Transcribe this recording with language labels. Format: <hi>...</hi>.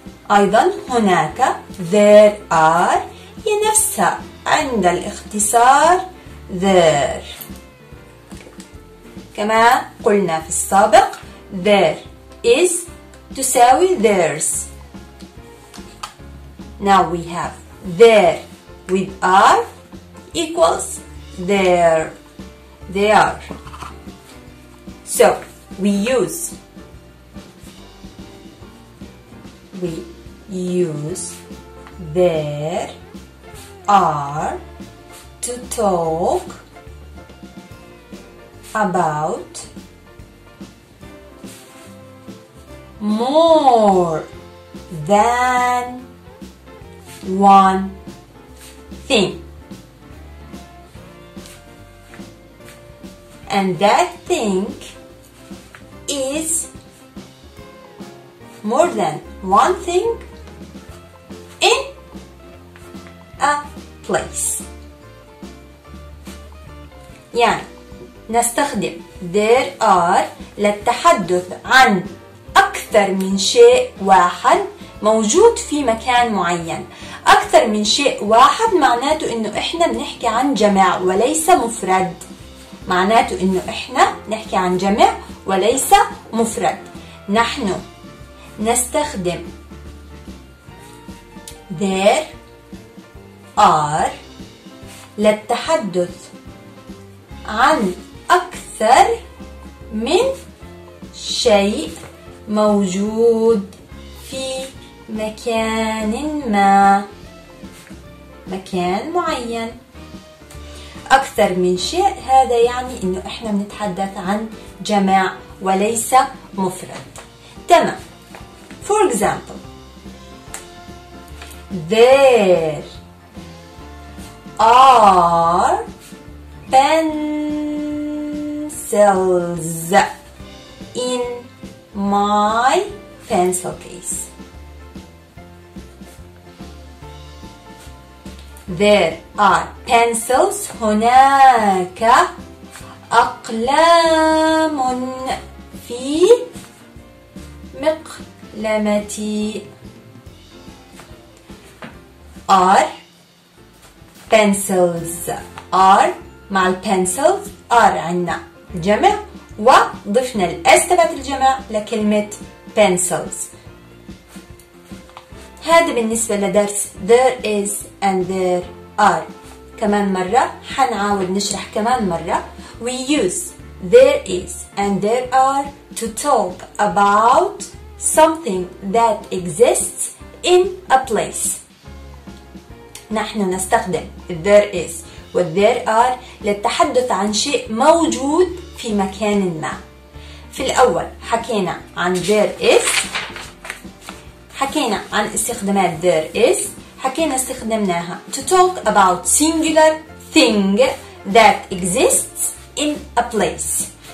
<ar>أيضا هناك there are هي نفسها عند الاختصار there. كما قلنا في السابق there is تساوي there's.</ar> <en>Now we have there with are equals there. They are. So we use there are to talk about more than one thing, and that thing is more than one thing in a place.</en> <ar>يعني نستخدم there are للتحدث عن أكثر من شيء واحد موجود في مكان معين. أكثر من شيء واحد معناته إنه إحنا بنحكي عن جمع وليس مفرد. معناته إنه إحنا نحكي عن جمع وليس مفرد. نحن نستخدم there are للتحدث عن أكثر من شيء موجود في مكان ما. مكان معين. أكثر من شيء هذا يعني إنه إحنا بنتحدث عن جمع وليس مفرد. تمام.</ar> <en>For example, there are pencils in my pencil case. There are pencils.</en> <ar>هناك أقلام في مقلمتي.</ar> <en>Are pencils. Are</en> <ar>مع</ar> <en>pencils.</en> <ar>Are عنا جمع وضفنا الأس تبعت الجمع لكلمة pencils. هذا بالنسبة لدرس</ar> <en>there is and there are.</en> <ar>كمان مرة حنعاود نشرح كمان مرة.</ar> <en>We use there is and there are to talk about something that exists in a place.</en> <ar>نحن نستخدم</ar> <en>there is and there are</en> <ar>للتحدث عن شيء موجود في مكان ما. في الأول حكينا عن there is. حكينا عن استخدامات there is. حكينا استخدمناها</ar> <en>to talk about singular thing that exists in a place.</en>